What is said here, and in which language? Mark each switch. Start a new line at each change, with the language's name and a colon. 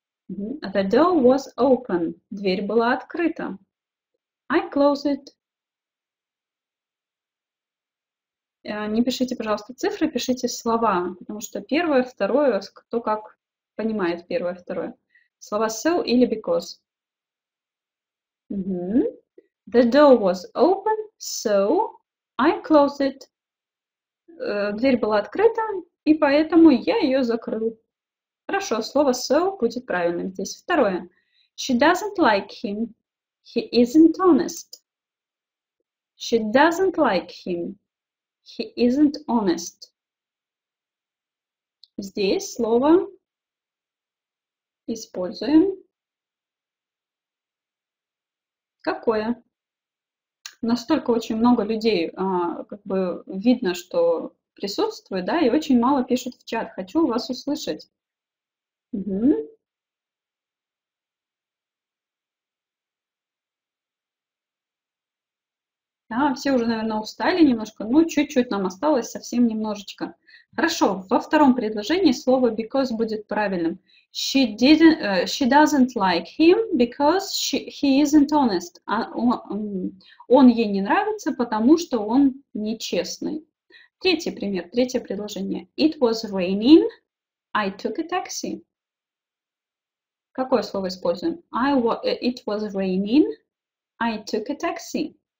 English: The door was open.
Russian: Дверь была открыта.
English: I closed it.
Russian: не пишите, пожалуйста, цифры, пишите слова, потому что первое, второе, кто как понимает первое, второе. Слова so или because. Mm-hmm.
English: The door was open, so I closed it.
Russian: Дверь была открыта, и поэтому я ее закрыл. Хорошо, слово so будет правильным здесь. Второе.
English: She doesn't like him. He isn't honest. She doesn't like him. He isn't honest.
Russian: Здесь слово используем. Какое? Настолько очень много людей, как бы видно, что присутствует, да, и очень мало пишут в чат. Хочу вас услышать. Угу. Да, все уже, наверное, устали немножко. Ну, чуть-чуть нам осталось, совсем немножечко. Хорошо, во втором предложении слово because будет правильным.
English: She doesn't like him because he isn't honest.
Russian: Он ей не нравится, потому что он нечестный. Третий пример, третье предложение.
English: It was raining, I took a taxi.
Russian: Какое слово используем?
English: It was raining, I took a taxi.